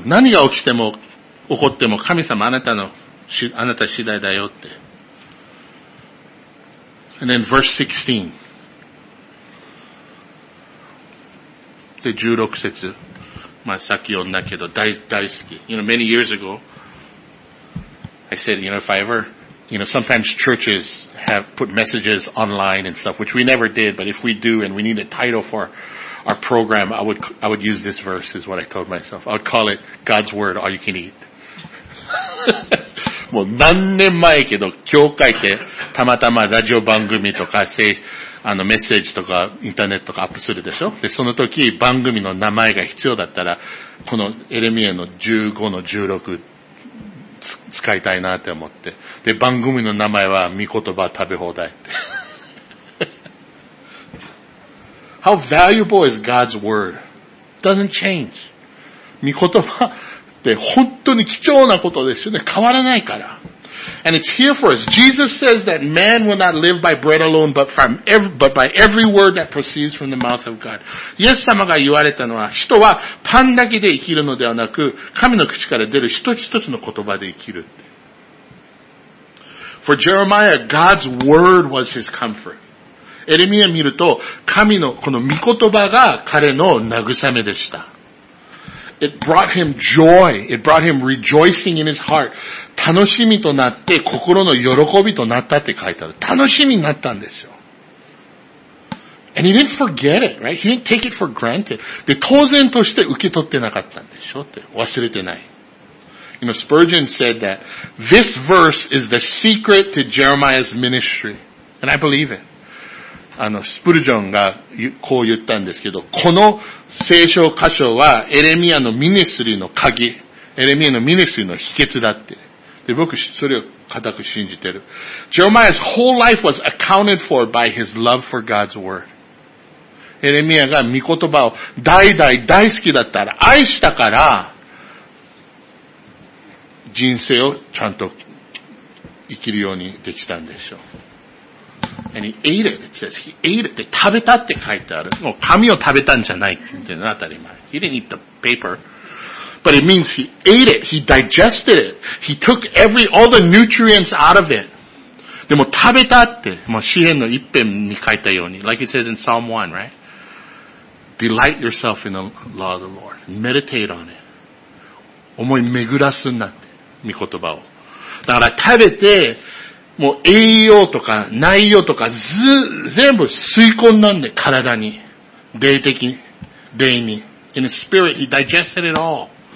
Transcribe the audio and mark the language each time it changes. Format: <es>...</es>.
<ja>何が起きても、起こっても神様あなた次第だよって。</ja> <en>And then verse 16.</en> <ja>で、16節。まあ、さっき読んだけど、大好き。</ja> <en>You know, many years ago, I said, you know, if I ever, you know, sometimes churches have put messages online and stuff, which we never did, but if we do and we need a title for our program, I would use this verse, is what I told myself. I would call it God's Word, All You Can Eat.</en> <ja>もう何年前けど、教会でたまたまラジオ番組とか、メッセージとかインターネットとかアップするでしょ。で、その時番組の名前が必要だったら、このエレミエの15の16使いたいなって思って。で、番組の名前は御言葉食べ放題って。</ja> <en>How valuable is God's word? Doesn't change.</en> <ja>御言葉って本当に貴重なことですよね。変わらないから。</ja> <en>And it's here for us. Jesus says that man will not live by bread alone, but by every word that proceeds from the mouth of God.</en> <ja>イエス様が言われたのは、人はパンだけで生きるのではなく、神の口から出る一つ一つの言葉で生きる。</ja> <en>For Jeremiah, God's word was his comfort.</en> <ja>エレミア見ると、神のこの御言葉が彼の慰めでした。</ja> <en>It brought him joy. It brought him rejoicing in his heart.</en> <ja>楽しみとなって心の喜びとなったって書いてある。楽しみになったんですよ。</ja> <en>And he didn't forget it, right? He didn't take it for granted.</en> <ja>で、当然として受け取ってなかったんでしょって。忘れてない。</ja> <en>You know, Spurgeon said that this verse is the secret to Jeremiah's ministry. And I believe it.</en> <ja>スプルジョンがこう言ったんですけど、この聖書箇所はエレミアのミニストリーの鍵、エレミアのミニストリーの秘訣だって。で、僕、それを固く信じてる。</ja> <en>Jeremiah's whole life was accounted for by his love for God's word.</en> <ja>エレミアが御言葉を代々大好きだったら、愛したから、人生をちゃんと生きるようにできたんでしょう。</ja> <en>And he ate it, it says. He ate it.</en> <ja>で、食べたって書いてある。もう紙を食べたんじゃないっていうのは当たり前。</ja> <en>He didn't eat the paper. But it means he ate it. He digested it. He took all the nutrients out of it.</en> <ja>でも食べたって、もう詩編の一編に書いたように。</ja> <en>Like it says in Psalm 1, right? Delight yourself in the law of the Lord. Meditate on it.</en> <ja>思い巡らすんだって。御言葉を。だから食べて、もう栄養とか内容とか全部吸い込んだんで、体に。霊的に。霊に。</ja> <en>In his spirit, he digested it all.</en>